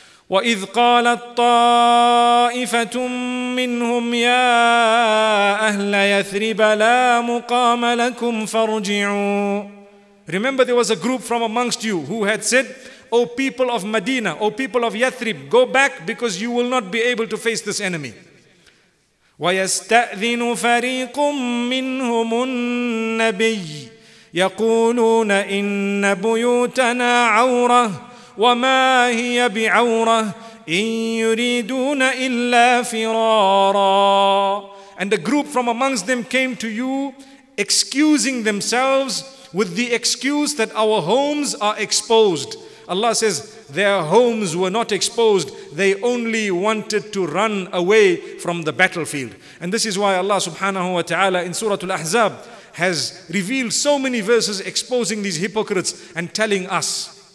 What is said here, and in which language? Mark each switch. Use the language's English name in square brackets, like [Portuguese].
[Arabic] وَإِذْ قَالَتْ طَائِفَةٌ مِّنْهُمْ يَا أَهْلَ يَثْرِبَ لَا مُقَامَ لَكُمْ فَارْجِعُوا. [English] Remember, there was a group from amongst you who had said, O people of Madinah, O people of Yathrib, go back because you will not be able to face this enemy. [Arabic] ويستأذن فريق منهم النبي يقولون إن بيوتنا عورة وما هي بعورة إن يريدون إلا فرارا. [English] And a group from amongst them came to you excusing themselves with the excuse that our homes are exposed. Allah says, their homes were not exposed. They only wanted to run away from the battlefield. And this is why Allah subhanahu wa ta'ala in Surah Al-Ahzab has revealed so many verses exposing these hypocrites and telling us,